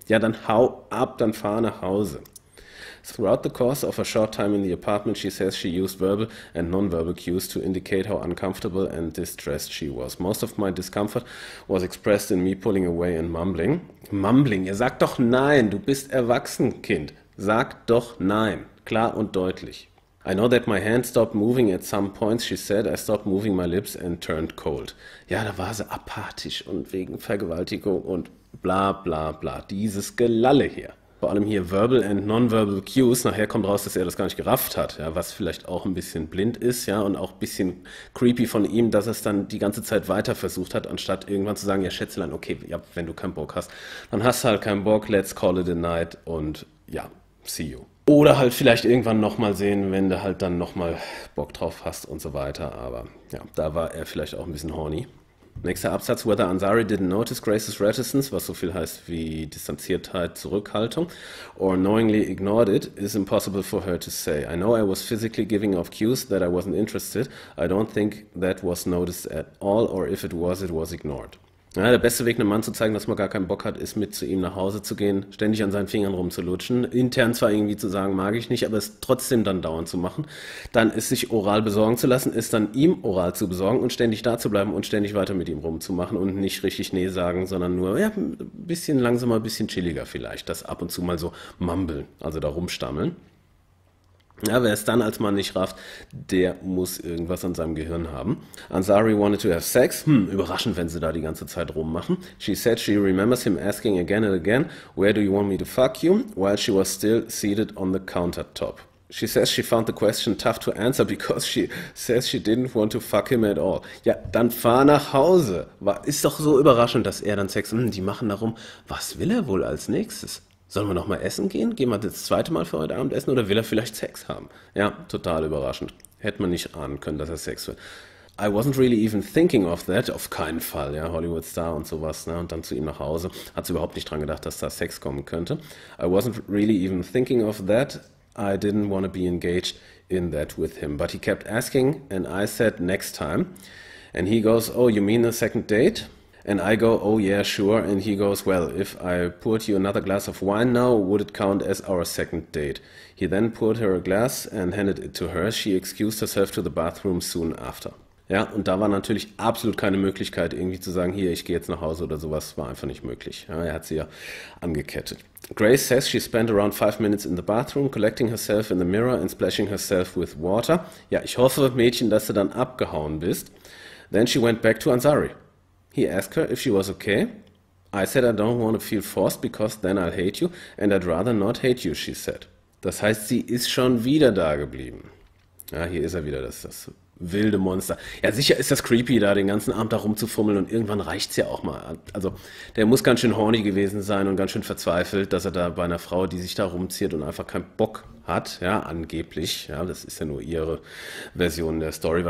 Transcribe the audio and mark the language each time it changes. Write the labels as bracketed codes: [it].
[de] Ja, dann hau ab, dann fahr nach Hause. [en] Throughout the course of a short time in the apartment, she says she used verbal and non-verbal cues to indicate how uncomfortable and distressed she was. Most of my discomfort was expressed in me pulling away and mumbling. [de] Mumbling, ihr sagt doch nein, du bist erwachsen, Kind. Sag doch nein, klar und deutlich. [en] I know that my hand stopped moving at some points, she said. I stopped moving my lips and turned cold. [de] Ja, da war sie apathisch und wegen Vergewaltigung und bla bla bla. Dieses Gelalle hier. Vor allem hier [en] verbal and non-verbal cues. [de] Nachher kommt raus, dass er das gar nicht gerafft hat. Ja, was vielleicht auch ein bisschen blind ist, ja, und auch ein bisschen creepy von ihm, dass er es dann die ganze Zeit weiter versucht hat, anstatt irgendwann zu sagen, ja, Schätzelein, okay, ja, wenn du keinen Bock hast, dann hast du halt keinen Bock, [en] let's call it a night [de] und ja, [en] see you. [de] Oder halt vielleicht irgendwann nochmal sehen, wenn du halt dann nochmal Bock drauf hast und so weiter. Aber ja, da war er vielleicht auch ein bisschen horny. Nächster Absatz, [en] whether Ansari didn't notice Grace's reticence, [de] was so viel heißt wie Distanziertheit, Zurückhaltung, [en] or knowingly ignored it, is impossible for her to say. I know I was physically giving off cues that I wasn't interested. I don't think that was noticed at all, or if it was, it was ignored. [de] Ja, der beste Weg, einem Mann zu zeigen, dass man gar keinen Bock hat, ist mit zu ihm nach Hause zu gehen, ständig an seinen Fingern rumzulutschen, intern zwar irgendwie zu sagen, mag ich nicht, aber es trotzdem dann dauernd zu machen, dann es sich oral besorgen zu lassen, es dann ihm oral zu besorgen und ständig da zu bleiben und ständig weiter mit ihm rumzumachen und nicht richtig Nee sagen, sondern nur ja, ein bisschen langsamer, ein bisschen chilliger vielleicht, das ab und zu mal so mumbeln, also da rumstammeln. Ja, wer es dann als Mann nicht rafft, der muss irgendwas an seinem Gehirn haben. [en] Ansari wanted to have sex. [de] Überraschend, wenn sie da die ganze Zeit rummachen. [en] She said she remembers him asking again and again, where do you want me to fuck you, while she was still seated on the countertop. She says she found the question tough to answer because she says she didn't want to fuck him at all. [de] Ja, dann fahr nach Hause. Ist doch so überraschend, dass er dann Sex, die machen darum, was will er wohl als nächstes? Sollen wir noch mal essen gehen? Gehen wir das zweite Mal für heute Abend essen oder will er vielleicht Sex haben? Ja, total überraschend. Hätte man nicht ahnen können, dass er Sex will. [en] I wasn't really even thinking of that. [de] Auf keinen Fall, ja, Hollywood-Star und sowas, ne, und dann zu ihm nach Hause. Hat sie überhaupt nicht dran gedacht, dass da Sex kommen könnte. [en] I wasn't really even thinking of that. I didn't want to be engaged in that with him. But he kept asking and I said next time. And he goes, oh, you mean a second date? And I go, oh yeah, sure. And he goes, well, if I poured you another glass of wine now, would it count as our second date? He then poured her a glass and handed it to her. She excused herself to the bathroom soon after. [de] Ja, und da war natürlich absolut keine Möglichkeit, irgendwie zu sagen, hier, ich gehe jetzt nach Hause oder sowas. War einfach nicht möglich. Ja, er hat sie ja angekettet. [en] Grace says she spent around 5 minutes in the bathroom, collecting herself in the mirror and splashing herself with water. [de] Ja, ich hoffe, Mädchen, dass du dann abgehauen bist. [en] Then she went back to Ansari. He asked her if she was okay. I said I don't want to feel forced because then I'll hate you and I'd rather not hate you, she said. [de] Das heißt, sie ist schon wieder da geblieben. Ja, hier ist er wieder, das wilde Monster. Ja, sicher ist das creepy, da den ganzen Abend da rumzufummeln und irgendwann reicht es ja auch mal. Also, der muss ganz schön horny gewesen sein und ganz schön verzweifelt, dass er da bei einer Frau, die sich da rumziert und einfach keinen Bock hat, ja, angeblich, ja, das ist ja nur ihre Version der Story.